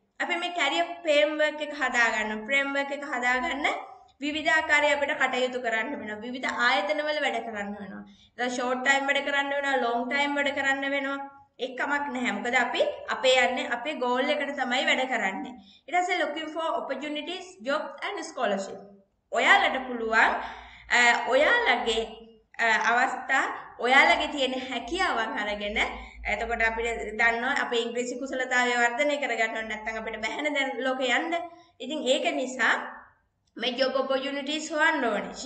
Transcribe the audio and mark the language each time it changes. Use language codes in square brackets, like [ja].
[si] අපි මේ career framework එක හදාගන්න විවිධාකාරي අපිට කටයුතු කරන්න වෙනවා. විවිධ ආයතනවල වැඩ කරන්න වෙනවා. ඒක ෂෝට් ටයිම් වැඩ කරන්න වෙනවා, ලොง ටයිම් වැඩ කරන්න වෙනවා. එකමක් නැහැ. මොකද අපි අපේ යන්නේ අපේ ගෝල් එකට තමයි වැඩ කරන්නේ. ඊට පස්සේ [en] looking for opportunities, job and scholarship. [si] ඔයාලට පුළුවන් ඔයාලගේ අවස්ථා ඔයාලගේ තියෙන හැකියාවන් අරගෙන එතකොට අපිට දන්නවා අපේ ඉංග්‍රීසි කුසලතාවය වර්ධනය කරගන්න ඕනේ නැත්නම් අපිට බැහැන දැන් ලෝකේ යන්න. ඉතින් ඒක නිසා මේ job opportunities හොයන්න ඕනේ.